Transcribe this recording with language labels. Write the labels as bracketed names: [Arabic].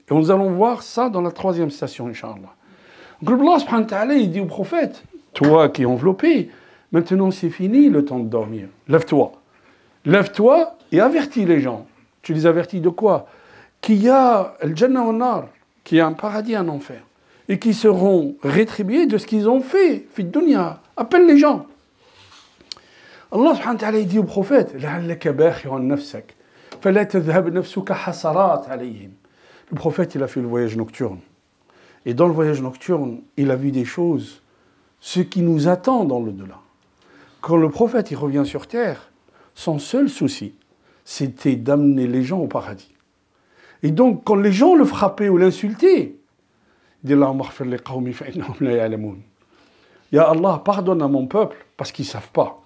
[French] Et nous allons voir ça dans la troisième station, Inch'Allah. Allah subhanahu wa ta'ala, il dit au prophète, toi qui es enveloppé, maintenant c'est fini le temps de dormir. Lève-toi. Lève-toi et avertis les gens. Tu les avertis de quoi? Qu'il y a le Jannah al-Nar, qu'il y a un paradis, un enfer. Et qui seront rétribués de ce qu'ils ont fait. Fid dunya. Appelle les gens. [Arabic] Allah subhanahu wa ta'ala dit au prophète, لَعَلَّكَ بَاخِرٌ نَفْسَكَ فَلَا تَذْهَبْ نَفْسُكَ حَسَرَاتَ عَلَيْهِمْ. [French] Le prophète, il a fait le voyage nocturne. Et dans le voyage nocturne, il a vu des choses, ce qui nous attend dans l'au-delà. Quand le prophète, il revient sur terre, son seul souci, c'était d'amener les gens au paradis. Et donc, quand les gens le frappaient ou l'insultaient, Ya Allah, pardonne à mon peuple parce qu'ils ne savent pas.